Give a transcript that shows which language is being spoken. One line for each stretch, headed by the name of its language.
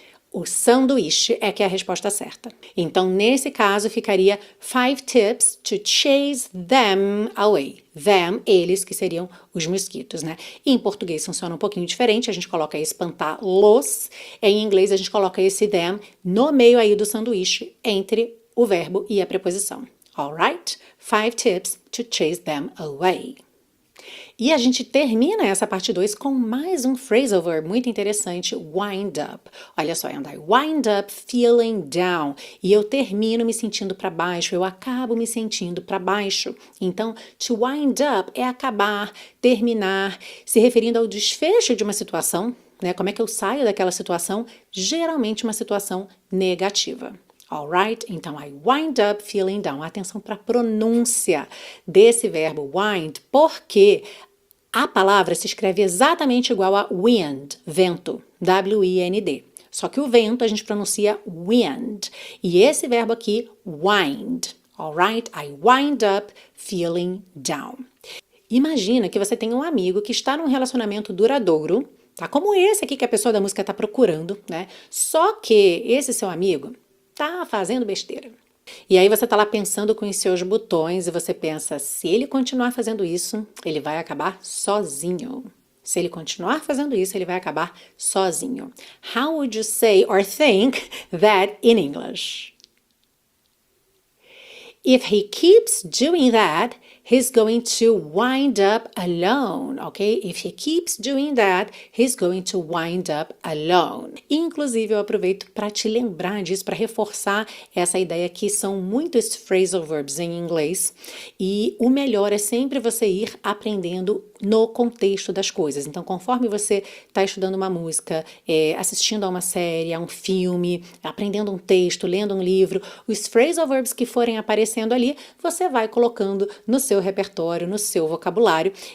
Portuguese: O sanduíche é que é a resposta certa. Então, nesse caso, ficaria
English: five tips to chase them away.
Portuguese: Them, eles, que seriam os mosquitos, né? Em português funciona um pouquinho diferente, a gente coloca espantar los. Em inglês, a gente coloca esse them no meio aí do sanduíche, entre o verbo e a preposição.
English: All right? Five tips to chase them away.
Portuguese: E a gente termina essa parte 2 com mais um phrasal verb muito interessante, wind up. Olha só,
English: and I wind up feeling down.
Portuguese: E eu termino me sentindo para baixo, eu acabo me sentindo para baixo. Então, to wind up é acabar, terminar, se referindo ao desfecho de uma situação, né? Como é que eu saio daquela situação? Geralmente, uma situação negativa. All right? Então,
English: I wind up feeling down.
Portuguese: Atenção para a pronúncia desse verbo wind, porque a palavra se escreve exatamente igual a wind, vento, W-I-N-D. Só que o vento a gente pronuncia wind. E esse verbo aqui, wind.
English: All right? I wind up feeling down.
Portuguese: Imagina que você tem um amigo que está num relacionamento duradouro, tá? Como esse aqui que a pessoa da música está procurando, né? Só que esse seu amigo tá fazendo besteira. E aí você tá lá pensando com os seus botões e você pensa, se ele continuar fazendo isso, ele vai acabar sozinho. Se ele continuar fazendo isso, ele vai acabar sozinho.
English: How would you say or think that in English? If he keeps doing that, he's going to wind up alone, ok? If he keeps doing that, he's going to wind up alone.
Portuguese: Inclusive, eu aproveito para te lembrar disso, para reforçar essa ideia que são muitos phrasal verbs em inglês e o melhor é sempre você ir aprendendo no contexto das coisas. Então, conforme você está estudando uma música, assistindo a uma série, a um filme, aprendendo um texto, lendo um livro, os phrasal verbs que forem aparecendo ali, você vai colocando no seu repertório, no seu vocabulário.